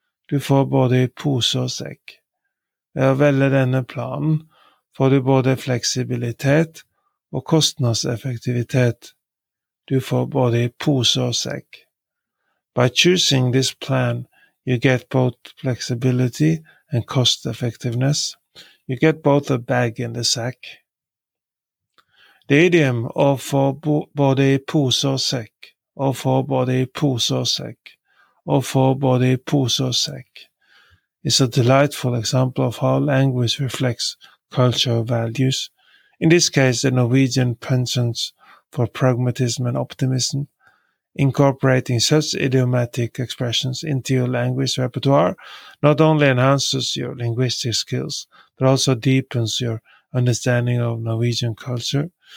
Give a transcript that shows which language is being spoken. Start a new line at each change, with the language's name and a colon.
Norwegian: Du får både I pose og sekk. Ved å velge denne planen får du både fleksibilitet og kostnadseffektivitet. Du får både I pose og sekk.
English: By choosing this plan, you get both flexibility and cost effectiveness. You get both a bag and a sack. The idiom å få både pose og sekk, å få både pose og sekk, å få både pose og sekk, is a delightful example of how language reflects cultural values. In this case, the Norwegian penchant for pragmatism and optimism, incorporating such idiomatic expressions into your language repertoire, not only enhances your linguistic skills, but also deepens your understanding of Norwegian culture.